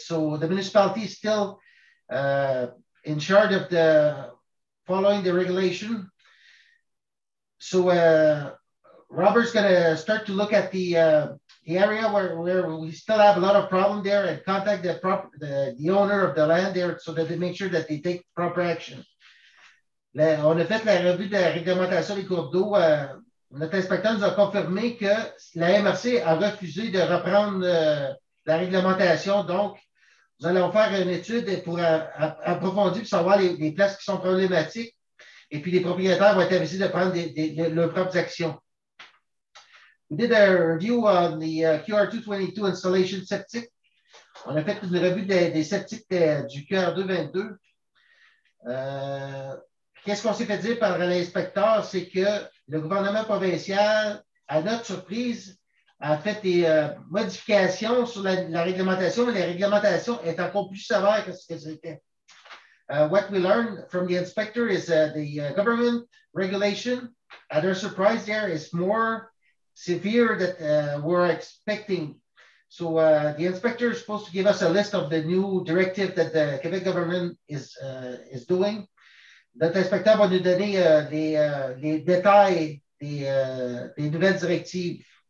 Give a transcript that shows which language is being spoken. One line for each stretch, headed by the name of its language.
English: So the municipality is still in charge of the following the regulation. So Robert's going to start to look at the area where we still have a lot of problem there and contact the owner of the land there so that they make sure that they take proper action.
French: On a fait la revue de la réglementation des cours d'eau. Notre inspecteur nous a confirmé que la MRC a refusé de reprendre la réglementation. Donc, nous allons faire une étude pour approfondir et savoir les places qui sont problématiques. Et puis, les propriétaires vont être avisés de prendre leurs propres actions.
English: We did a review on the QR222 installation septic.
French: On a fait une revue des septiques du QR222. Qu'est-ce qu'on s'est fait dire par l'inspecteur? C'est que le gouvernement provincial, à notre surprise, a fait des modifications sur la réglementation, mais la réglementation est encore plus sévère que ce que c'était.
English: What we learned from the inspector is the government regulation, at our surprise there, is more severe that we're expecting. So the inspector is supposed to give us a list of the new directive that the Quebec government is doing.
French: Notre inspecteur va nous donner les détails des nouvelles directives.